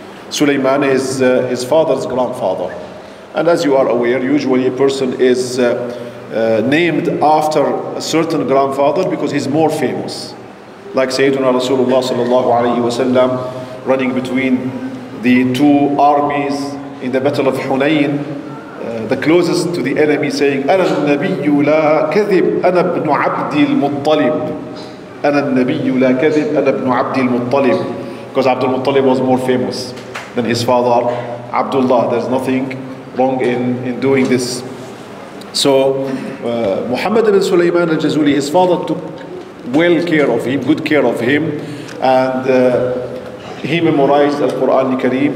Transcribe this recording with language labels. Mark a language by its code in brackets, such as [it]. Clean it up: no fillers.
[en] Sulaiman is his father's grandfather. And as you are aware, usually a person is named after a certain grandfather because he's more famous. Like Sayyiduna Rasulullah sallallahu alayhi wa sallam running between the two armies in the Battle of Hunayn, the closest to the enemy, saying, [ar] أنا النبي لا كذب أنا ابن عبد المطلب. أنا النبي لا كذب أنا ابن عبد المطلب. [en] Because Abdul Muttalib was more famous than his father, Abdullah. There's nothing wrong in doing this. So Muhammad ibn Sulaiman al-Jazuli, his father took well care of him, good care of him, and he memorized Al-Quran al-Kareem.